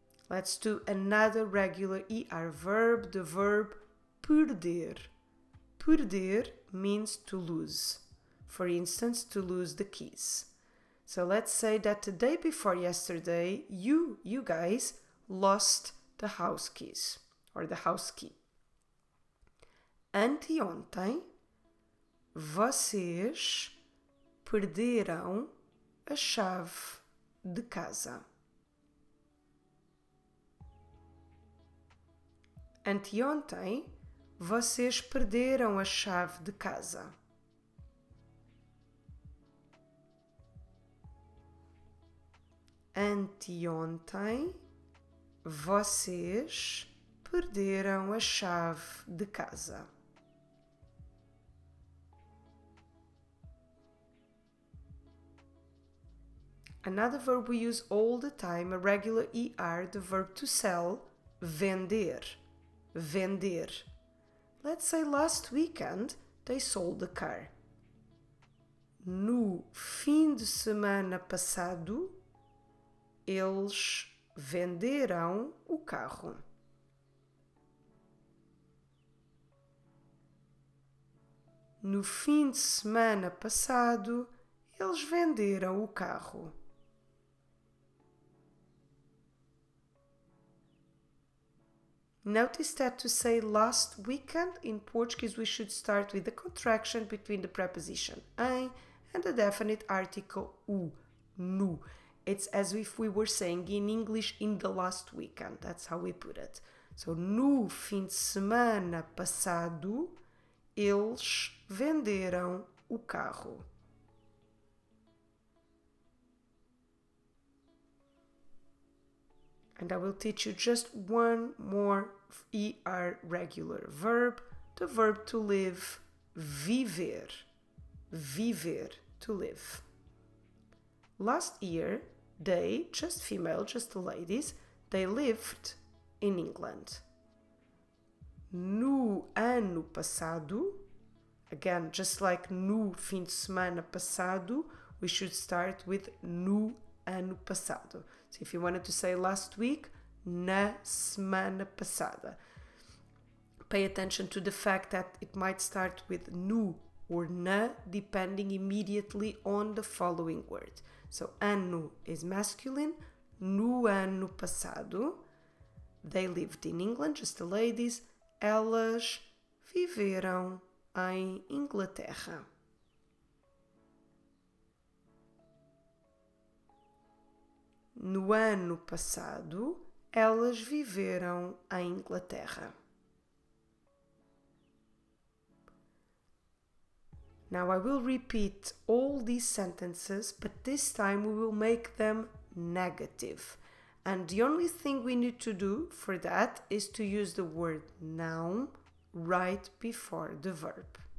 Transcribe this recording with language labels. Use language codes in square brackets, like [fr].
[en] Let's do another regular ER verb, the verb perder. Perder means to lose. For instance, to lose the keys. So let's say that the day before yesterday, you guys, lost the house keys or the house key. [pt] Anteontem, vocês perderam a chave de casa. Anteontem, vocês perderam a chave de casa. Anteontem, vocês perderam a chave de casa. [en] Another verb we use all the time, a regular ER, the verb to sell, vender. Vender. Let's say last weekend they sold the car. [pt] No fim de semana passado, eles venderam o carro. No fim de semana passado, eles venderam o carro. [en] Notice that to say last weekend in Portuguese, we should start with the contraction between the preposition em and the definite article o, no. It's as if we were saying in English in the last weekend. That's how we put it. [pt] So, no fim de semana passado, eles venderam o carro. [en] And I will teach you just one more ER regular verb, the verb to live, viver, viver, to live. Last year, they, just female, just the ladies, they lived in England. [pt] No ano passado, [en] again, just like [pt] no fim de semana passado, [en] we should start with [pt] no ano passado. [en] So if you wanted to say last week, [pt] na semana passada. [en] Pay attention to the fact that it might start with no or na, depending immediately on the following word. So ano is masculine, [pt] no ano passado, [en] they lived in England, just the ladies, [pt] elas viveram em Inglaterra. No ano passado, elas viveram em Inglaterra. [en] Now I will repeat all these sentences, but this time we will make them negative. And the only thing we need to do for that is to use the word noun right before the verb.